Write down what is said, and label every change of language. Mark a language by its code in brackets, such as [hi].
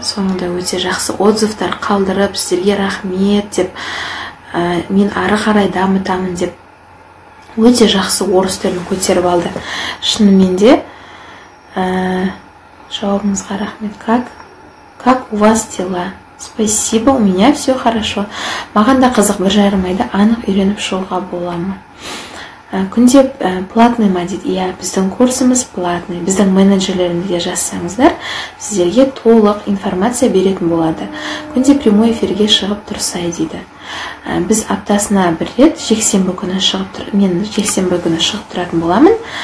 [kk] Соңында өте жақсы отзывтар қалдырып, сіздерге рахмет деп, мен ары қарай дамытамын деп, өте жақсы орыс тілін көтеріп алды. Шынымен де, жауабыңызға рахмет. [ru] Как у вас дела? Спасибо, у меня все хорошо. [kk] Маған да қызық, бір жарым айда анық үйреніп шығуға боламын. Күнде платный ма дейді? Иә, біздің курсымыз платный. Біздің менеджерлерімізге жазсаңыздар, сіздерге толық информация беретін болады. Күнде прямой эфирге шығып тұрсай дейді. Біз аптасына бір рет, жексенбі күні шығып тұратын боламын.